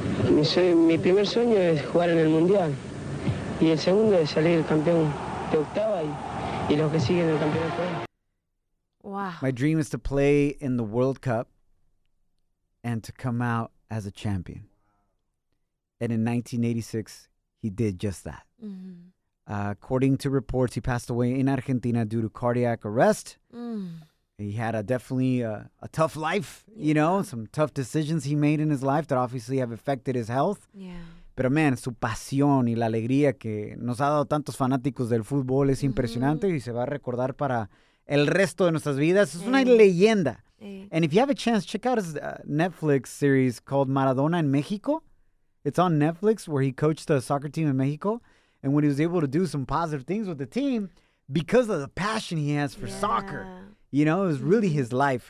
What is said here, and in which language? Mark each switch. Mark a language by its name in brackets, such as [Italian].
[Spanish] Mi primer sueño es jugar en el Mundial. Y el segundo es salir el campeón de octava y los que siguen el campeón de octava. [English] Wow. My dream is to play in the World Cup and to come out as a champion. And in 1986, he did just that. Mm-hmm. According to reports, he passed away in Argentina due to cardiac arrest. Mm. He had definitely a tough life, yeah. You know, some tough decisions he made in his life that obviously have affected his health. Yeah. [Spanish] Pero man, su pasión y la alegría que nos ha dado tantos fanáticos del fútbol es impresionante mm-hmm. y se va a recordar para el resto de nuestras vidas. Es una leyenda. [English] And if you have a chance, check out his Netflix series called Maradona en México. It's on Netflix, where he coached the soccer team in Mexico. And when he was able to do some positive things with the team, because of the passion he has for soccer, you know, it was really his life.